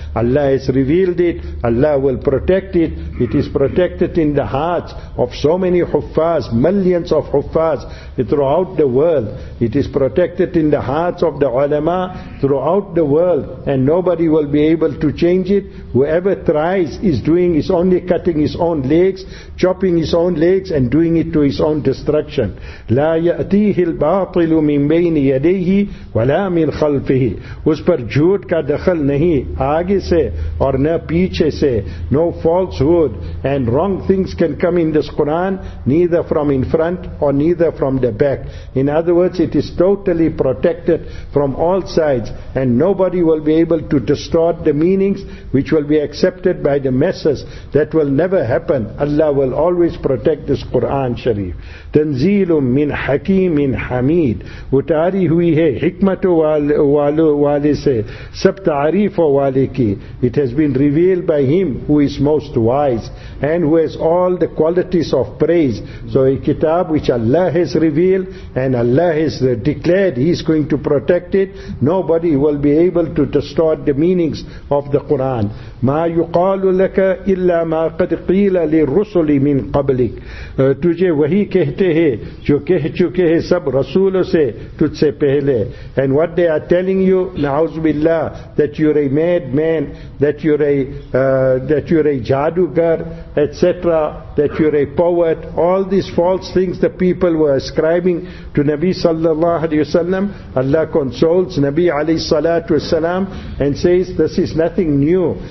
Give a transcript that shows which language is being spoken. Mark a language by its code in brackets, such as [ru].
[en] Allah has revealed it. Allah will protect it. It is protected in the hearts of so many huffaz, millions of huffaz throughout the world. It is protected in the hearts of the ulama throughout the world, and nobody will be able to change it. Whoever tries is doing is only cutting his own legs, chopping his own legs, and doing it to his own destruction. [ar] لا يأتيه الباطل من بين يديه ولا من خلفه. [ur] اس پر جھوٹ کا دخل نہیں آگے سے اور نہ پیچھے سے. [en] No falsehood and wrong things can come in this Quran, neither from in front or neither from the back. In other words, it is totally protected from all sides, and nobody will be able to distort the meanings, which will be accepted by the masses. That will never happen. Allah will always protect this Quran Sharif. [ar] Tanzeelum min hakeemin hameed. [ur] Utari hui hai hikmat wale se sab ta'reef wale ki. [en] It has been revealed by him who is most wise and who has all the qualities of praise. So a kitab which Allah has revealed and Allah has declared he is going to protect it, nobody will be able to distort the meanings of the Quran. [ar] مَا يُقَالُ لَكَ إِلَّا مَا قَدْ قِيلَ لِلْرُسُلِ مِنْ قَبْلِكَ. [ur] تجھے وہی کہتے ہیں جو کہہ چکے ہیں سب رسولوں سے تجھ سے پہلے. [en] And what they are telling you, نعوذ باللہ, that you're a madman, that you're a jadugar, etc., that you're a poet, all these false things the people were ascribing to Nabi sallallahu alayhi wasallam. Allah consoles Nabi alayhi salatu wasalam and says, this is nothing new.